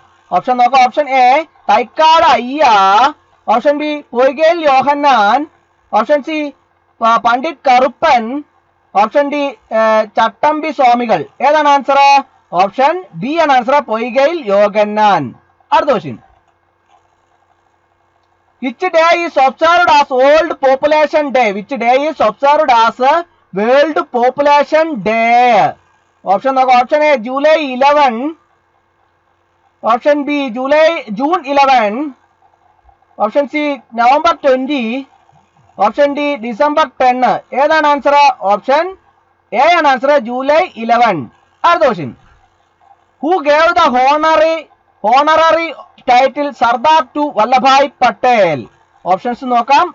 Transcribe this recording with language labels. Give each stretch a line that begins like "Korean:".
Malayalam: Option നോക്കാം. Option A, Thycaud അയ്യ. Option B, Poykayil യോഹന്നാൻ. Option C, Pandit Karuppan. Option D, ചട്ടമ്പി സ്വാമികൾ. ഏതാണ് ആൻസർ? ഓപ്ഷൻ ബി ആണ് ആൻസർ, പൊയ്കേൽ യോഹന്നാൻ. അടുത്ത question,
English: Which day is observed as World Population Day? Which day is observed as World Population Day.
Malayalam: Option നോക്കാം. Option A July 11, option B July June 11, option C November 20, option D December 10. ഏതാണ് answer? Option A ആണ് answer, July 11. അടുത്ത question,
English: Who gave the honorary honorary title Sardar to Vallabhbhai Patel?
Malayalam: Options നോക്കാം.